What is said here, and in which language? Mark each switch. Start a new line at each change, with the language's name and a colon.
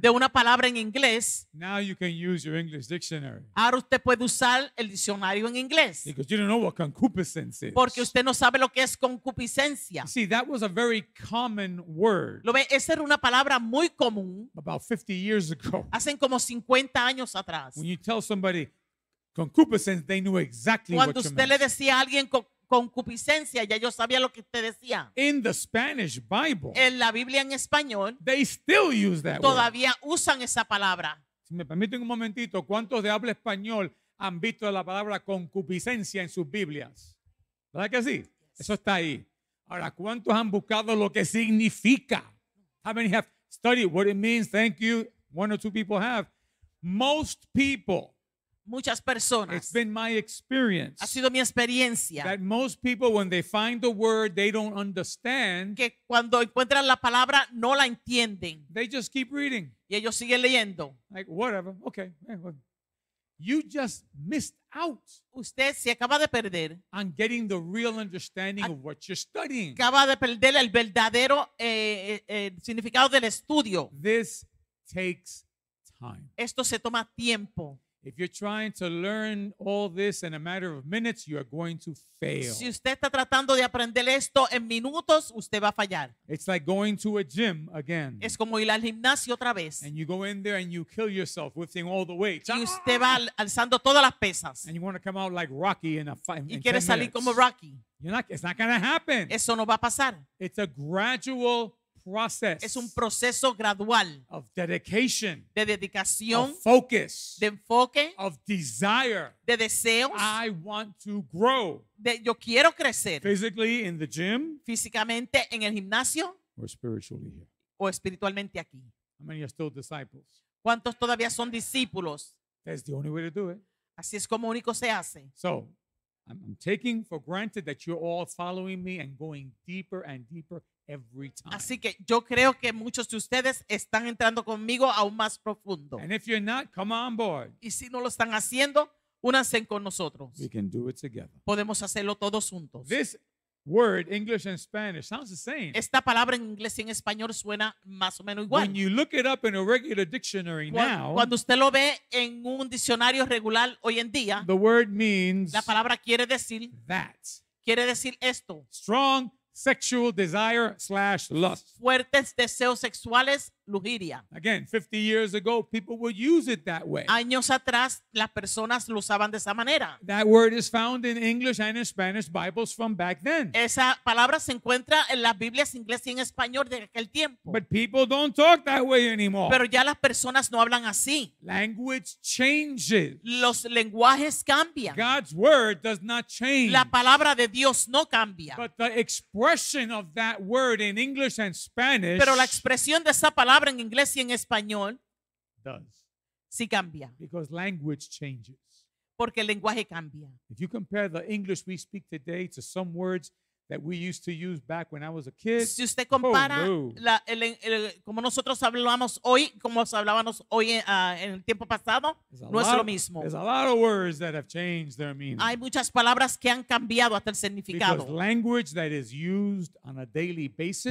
Spanish: de una palabra en inglés,
English: now you can use your English dictionary.
Spanish: Ahora usted puede usar el diccionario en inglés.
English: Because you don't know what concupiscence is.
Spanish: Porque usted no sabe lo que es concupiscencia.
English: See, that was a very common word.
Spanish: Lo ve, esa era una palabra muy común.
English: About 50 years ago.
Spanish: Hace como 50 años atrás.
English: When you tell somebody concupiscence, they knew exactly
Spanish: cuando
English: what you
Spanish: usted
English: meant.
Spanish: Le decía a alguien concupiscencia, ya yo sabía lo que usted decía.
English: In the Spanish Bible,
Spanish: en la Biblia en español,
English: they still use that
Spanish: todavía
English: word.
Spanish: Usan esa palabra. Si me permiten un momentito, ¿cuántos de habla español han visto la palabra concupiscencia en sus Biblias? ¿Verdad que sí? Eso está ahí. Ahora, ¿cuántos han buscado lo que significa?
English: How many have studied what it means? Thank you. One or two people have. Most people.
Spanish: Muchas personas.
English: It's been my experience.
Spanish: Ha sido mi experiencia.
English: That most people, when they find the word, they don't understand.
Spanish: Que cuando encuentran la palabra, no la entienden.
English: They just keep reading.
Spanish: Y ellos siguen leyendo.
English: Like, whatever. Okay. You just missed out.
Spanish: Usted se acaba de perder.
English: On getting the real understanding of what you're studying.
Spanish: Acaba de perder el verdadero significado del estudio.
English: This takes time.
Spanish: Esto se toma tiempo.
English: If you're trying to learn all this in a matter of minutes, you are going to fail.
Spanish: Si usted está tratando de aprender esto en minutos, usted va a fallar.
English: It's like going to a gym again.
Spanish: Es como ir al gimnasio otra vez.
English: And you go in there and you kill yourself lifting all the weights.
Spanish: Y usted va alzando todas las pesas.
English: And you want to come out like Rocky in a fight.
Spanish: Y quiere salir como Rocky.
English: It's not going to happen.
Spanish: Eso no va a pasar.
English: It's a gradual process.
Spanish: Es un proceso gradual
English: of dedication,
Spanish: de dedicación,
English: of focus,
Spanish: de enfoque,
English: of desire,
Spanish: de deseos.
English: I want to grow.
Spanish: De, yo quiero crecer.
English: Physically in the gym,
Spanish: físicamente en el gimnasio,
English: or spiritually here,
Spanish: o espiritualmente aquí.
English: How many are still disciples?
Spanish: ¿Cuántos todavía son discípulos?
English: That's the only way to do it.
Spanish: Así es como único se hace.
English: So, I'm taking for granted that you're all following me and going deeper and deeper. Every time.
Spanish: Así que yo creo que muchos de ustedes están entrando conmigo aún más profundo.
English: And if you're not, come on board.
Spanish: Y si no lo están haciendo, únanse con nosotros.
English: We can do it together.
Spanish: Podemos hacerlo todos juntos.
English: This word, English and Spanish, sounds the same.
Spanish: Esta palabra en inglés y en español suena más o menos igual.
English: When you look it up in a regular dictionary now,
Spanish: cuando usted lo ve en un diccionario regular hoy en día,
English: the word means
Spanish: la palabra quiere decir
English: that.
Spanish: Quiere decir esto.
English: Strong sexual desire / lust.
Spanish: Fuertes deseos sexuales, lujuria.
English: Again, 50 years ago, people would use it that way.
Spanish: Años atrás, las personas lo usaban de esa manera.
English: That word is found in English and in Spanish Bibles from back then.
Spanish: Esa palabra se encuentra en las Biblias inglesas y en español de aquel tiempo.
English: But people don't talk that way anymore.
Spanish: Pero ya las personas no hablan así.
English: Language changes.
Spanish: Los lenguajes cambian.
English: God's word does not change.
Spanish: La palabra de Dios no cambia.
English: But the expression of that word in English and Spanish,
Spanish: pero la expresión de esa palabra en inglés y en español,
English: does.
Spanish: Sí cambia.
English: Because language changes.
Spanish: Porque el lenguaje cambia.
English: If you compare the English we speak today to some words that we used to use back when I was a kid,
Spanish: si usted compara como nosotros hablamos hoy, como hablábamos hoy en el tiempo pasado, no es lo mismo.
English: There's a lot of words that have changed their meaning.
Spanish: Hay muchas palabras que han cambiado hasta el significado.
English: Because language that is used on a daily basis,